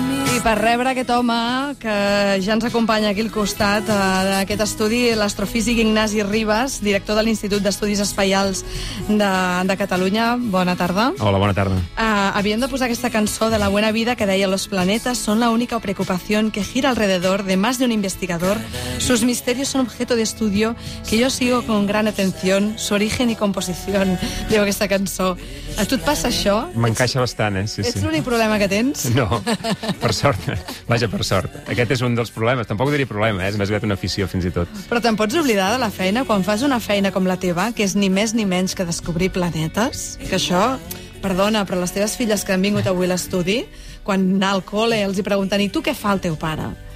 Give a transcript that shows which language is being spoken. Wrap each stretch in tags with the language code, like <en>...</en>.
<ca>I per rebre aquest home que ja ens acompanya aquí al costat d'aquest estudi, l'astrofísic Ignasi Ribas, director de l'Institut d'Estudis Espaials de Catalunya. Bona tarda. Hola, bona tarda. Havíem de posar aquesta cançó de La Buena Vida que deia</ca> <es>Los planetas son la única preocupación que gira alrededor de más de un investigador. Sus misterios son objeto de estudio que yo sigo con gran atención, su origen y composición.</es> <ca>Diu aquesta cançó. A tu et passa això? M'encaixa bastant, eh? Sí, ets l'únic problema que tens? No, per sort. Vaja, per sort. Aquest és un dels problemes. Tampoc ho diria problema, eh? És més aviat una afició, fins i tot. Però te'n pots oblidar de la feina quan fas una feina com la teva, que és ni més ni menys que descobrir planetes? Que això, perdona, però les teves filles que han vingut avui a l'estudi, quan anar al col·le els hi pregunten, i tu què fa el teu pare?</ca>